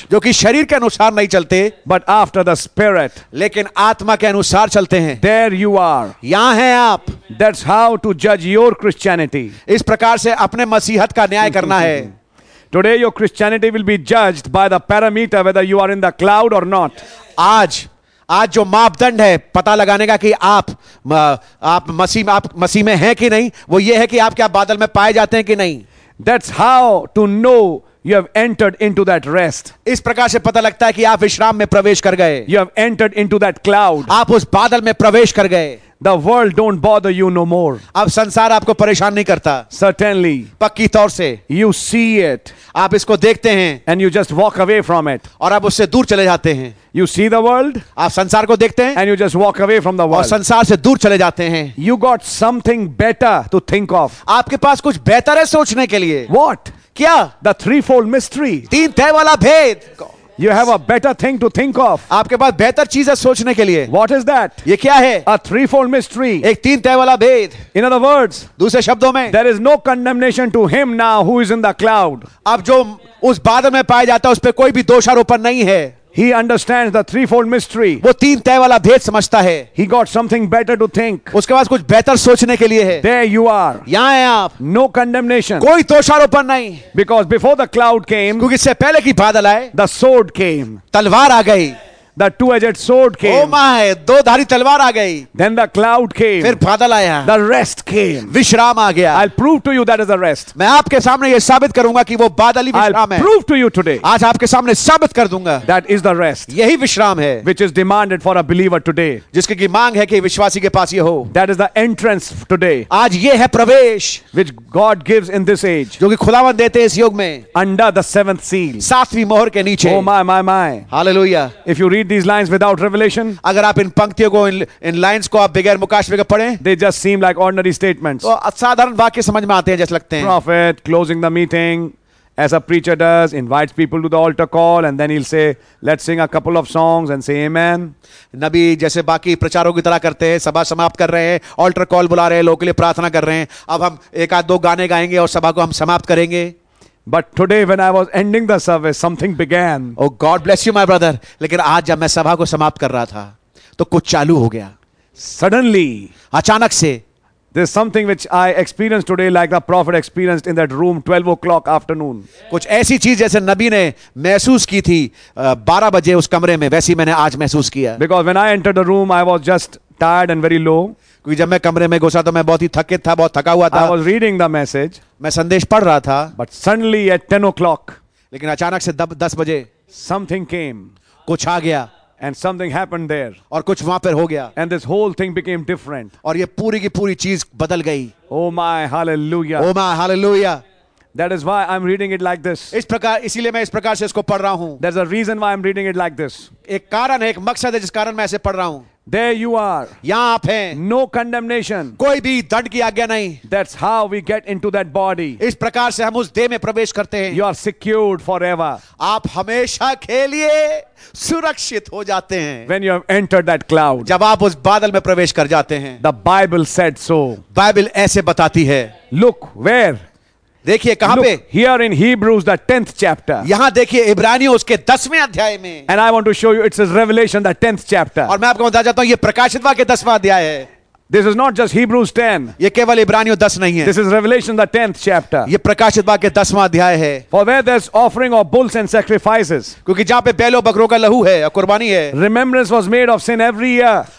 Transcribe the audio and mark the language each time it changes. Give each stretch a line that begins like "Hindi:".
Hindi: जो कि शरीर के अनुसार नहीं चलते,
English: but after the spirit,
Hindi: लेकिन आत्मा के अनुसार चलते हैं.
English: There you are,
Hindi: यहाँ हैं आप.
English: That's how to judge your Christianity.
Hindi: इस प्रकार से अपने मसीहत का न्याय करना है.
English: Today your Christianity will be judged by the parameter whether you are in the cloud or not.
Hindi: आज जो मापदंड है पता लगाने का कि आप मसीह में हैं कि नहीं, वो ये है कि आप क्या बादल में पाए जाते हैं कि नहीं.
English: That's how to know. You have entered into that rest.
Hindi: इस प्रकार से पता लगता है कि आप विश्राम में प्रवेश कर गए.
English: You have entered into that cloud.
Hindi: आप उस बादल में प्रवेश कर गए.
English: The world don't bother you no more.
Hindi: अब संसार आपको परेशान नहीं करता.
English: Certainly.
Hindi: पक्की तौर से.
English: You see it.
Hindi: आप इसको देखते हैं.
English: And you just walk away from it.
Hindi: और आप उससे दूर चले जाते हैं.
English: You see the world.
Hindi: आप संसार को देखते हैं.
English: And you just walk away from the world.
Hindi: और संसार से दूर चले जाते हैं.
English: You got something better to think of.
Hindi: आपके पास कुछ बेहतर है सोचने के लिए.
English: What?
Hindi: क्या?
English: The threefold mystery.
Hindi: तीन तह वाला भेद.
English: You have a better thing to think of.
Hindi: आपके पास बेहतर चीज है सोचने के लिए.
English: What is that?
Hindi: ये क्या है?
English: A threefold mystery.
Hindi: एक तीन तह वाला भेद.
English: In other words,
Hindi: दूसरे शब्दों में,
English: there is no condemnation to him now who is in the cloud.
Hindi: अब जो उस बादल में पाया जाता है उस पर कोई भी दोषारोपण नहीं है.
English: He understands the threefold mystery.
Hindi: वो तीन तह वाला भेद समझता है.
English: He got something better to think.
Hindi: उसके पास कुछ बेहतर सोचने के लिए है.
English: There you are.
Hindi: यहाँ हैं आप.
English: No condemnation.
Hindi: कोई दोषारोपण नहीं.
English: Because before the cloud came.
Hindi: क्योंकि इससे पहले की बादल आए.
English: The sword came.
Hindi: तलवार आ गई.
English: The two-edged sword came. Oh my,
Hindi: दो धारी तलवार आ गई.
English: Then the cloud came.
Hindi: फिर बादल आया.
English: The rest came.
Hindi: विश्राम आ गया.
English: I'll prove to you that is a rest.
Hindi: मैं आपके सामने ये साबित करूंगा कि वो बादल ही विश्राम है.
English: I'll prove to you today.
Hindi: आज आपके सामने साबित कर दूंगा.
English: That is the rest.
Hindi: यही विश्राम है.
English: Which is demanded for a believer today.
Hindi: जिसके की मांग है कि विश्वासी के पास ये हो.
English: That is the entrance today.
Hindi: आज ये है प्रवेश.
English: Which God gives in this age.
Hindi: जो कि खुदावंद देते हैं इस युग में.
English: Under the seventh seal.
Hindi: सातवीं मोहर के नीचे.
English: Oh my, my, my. Hallelujah. If you read these lines without revelation,
Hindi: अगर आप इन पंक्तियों को इन lines को आप बगैर मुकाशवे के पढ़ें,
English: they just seem like ordinary statements.
Hindi: तो साधारण वाक्य समझ में आते हैं जैसे लगते हैं.
English: Prophet closing the meeting as a preacher does, invites people to the altar call and then he'll say, let's sing a couple of songs and say amen.
Hindi: नबी जैसे बाकी प्रचारों की तरह करते हैं, सभा समाप्त कर रहे हैं, altar call बुला रहे हैं, लोगों के लिए प्रार्थना कर रहे हैं, अब हम एक आध दो गाने गाएंगे और सभा को हम समाप्त करेंगे.
English: But today when I was ending the service, something began. Oh God bless you, my brother.
Hindi: लेकिन आज जब मैं सभा को समाप्त कर रहा था तो कुछ चालू हो गया.
English: Suddenly,
Hindi: अचानक से,
English: there's something which I experienced today like the prophet experienced in that room 12 o'clock afternoon.
Hindi: कुछ ऐसी चीज जैसे नबी ने महसूस की थी 12 बजे उस कमरे में, वैसी मैंने आज महसूस किया.
English: Because when I entered the room, I was just tired and very low.
Hindi: क्योंकि जब मैं कमरे में घुसा तो मैं बहुत ही थकित था, बहुत थका हुआ था.
English: I was reading the message.
Hindi: मैं संदेश पढ़ रहा था.
English: But suddenly at 10 o'clock.
Hindi: लेकिन अचानक से 10 बजे.
English: Something came.
Hindi: कुछ आ गया.
English: And something happened there.
Hindi: और कुछ वहाँ पर हो गया.
English: And this whole thing became different.
Hindi: और ये पूरी की पूरी चीज बदल गई.
English: Oh my hallelujah. Oh my hallelujah. That is why I'm reading it like this.
Hindi: इस प्रकार इसीलिए मैं इस प्रकार से इसको पढ़ रहा हूँ.
English: There's a reason why I'm reading it like this.
Hindi: एक कारण है, एक मकसद है जिस कारण मैं ऐसे पढ़ रहा हूँ.
English: There you are.
Hindi: यहाँ आप हैं.
English: No condemnation.
Hindi: कोई भी दंड की आज्ञा नहीं.
English: That's how we get into that body.
Hindi: इस प्रकार से हम उस देह में प्रवेश करते हैं.
English: You are secured forever.
Hindi: आप हमेशा के लिए सुरक्षित हो जाते हैं.
English: When you have entered that cloud.
Hindi: जब आप उस बादल में प्रवेश कर जाते हैं.
English: The Bible said so.
Hindi: Bible ऐसे बताती है.
English: Look where.
Hindi: देखिए कहां
English: Look,
Hindi: पे?
English: Here in Hebrews the 10th chapter.
Hindi: यहां देखिए इब्रानियों उसके 10वें अध्याय में.
English: And I want to show you it's a revelation the 10th chapter.
Hindi: और मैं आपको बता जाता हूं ये प्रकाशित वाक्य 10वां अध्याय है.
English: This is not just Hebrews 10.
Hindi: ये केवल इब्रानियों 10 नहीं है.
English: This is Revelation the 10th chapter.
Hindi: ये प्रकाशित वाक्य 10वां अध्याय है.
English: For where there's offering of bulls and sacrifices.
Hindi: क्योंकि जहां पे बैलों बकरों का लहू है या कुर्बानी है.
English: Remembrance was made of sin every year.